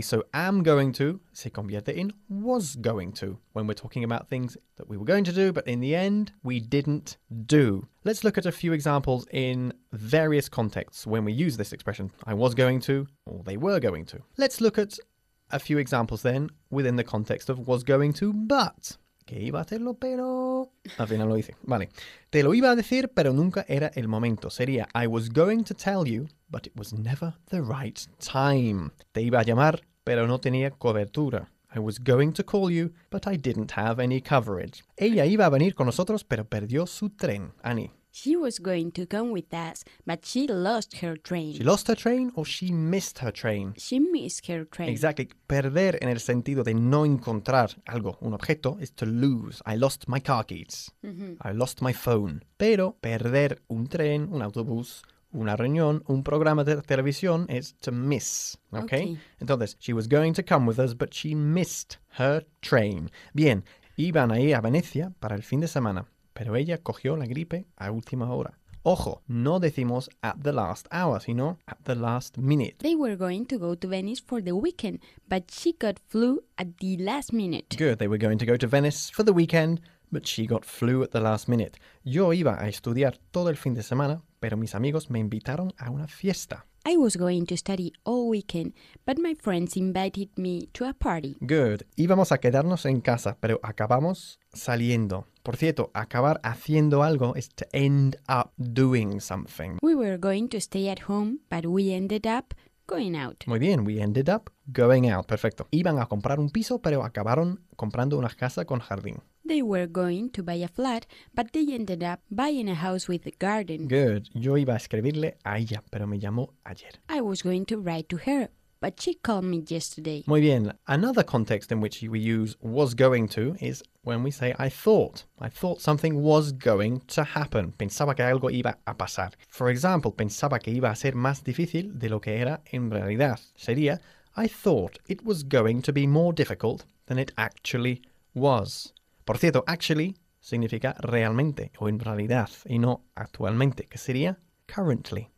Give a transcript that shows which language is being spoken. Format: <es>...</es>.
<en>So am going to</en> <es>se convierte en</es> <en>was going to when we're talking about things that we were going to do, but in the end, we didn't do. Let's look at a few examples in various contexts when we use this expression, I was going to, or they were going to. Let's look at a few examples then within the context of was going to, but.</en> <es>Que iba a hacerlo, pero... Al final lo hice. Vale. Te lo iba a decir, pero nunca era el momento. Sería,</es> <en>I was going to tell you, but it was never the right time.</en> <es>Te iba a llamar, pero no tenía cobertura.</es> <en>I was going to call you, but I didn't have any coverage.</en> <es>Ella iba a venir con nosotros, pero perdió su tren.</es> <en>Annie. She was going to come with us, but she lost her train. She lost her train or she missed her train? She missed her train. Exactly.</en> <es>Perder en el sentido de no encontrar algo, un objeto,</es> <en>is to lose. I lost my car keys. Mm-hmm. I lost my phone.</en> <es>Pero perder un tren, un autobús, una reunión, un programa de televisión</es> <en>is to miss. Okay?</en> <es>Entonces,</es> <en>she was going to come with us, but she missed her train.</en> <es>Bien, iban a ir a Venecia para el fin de semana. Pero ella cogió la gripe a última hora. Ojo, no decimos</es> <en>at the last hour,</en> <es>sino</es> <en>at the last minute. They were going to go to Venice for the weekend, but she got flu at the last minute. Good, they were going to go to Venice for the weekend, but she got flu at the last minute.</en> <es>Yo iba a estudiar todo el fin de semana, pero mis amigos me invitaron a una fiesta.</es> <en>I was going to study all weekend, but my friends invited me to a party. Good.</en> <es>Íbamos a quedarnos en casa, pero acabamos saliendo. Por cierto, acabar haciendo algo</es> <en>is to end up doing something. We were going to stay at home, but we ended up going out.</en> <es>Muy bien,</es> <en>we ended up going out.</en> <es>Perfecto. Iban a comprar un piso, pero acabaron comprando una casa con jardín.</es> <en>They were going to buy a flat, but they ended up buying a house with a garden. Good.</en> <es>Yo iba a escribirle a ella, pero me llamó ayer.</es> <en>I was going to write to her, but she called me yesterday.</en> <es>Muy bien.</es> <en>Another context in which we use was going to is when we say I thought. I thought something was going to happen.</en> <es>Pensaba que algo iba a pasar.</es> <en>For example,</en> <es>pensaba que iba a ser más difícil de lo que era en realidad. Sería,</es> <en>I thought it was going to be more difficult than it actually was.</en> <es>Por cierto, actually significa realmente o en realidad y no actualmente, que sería currently.</es>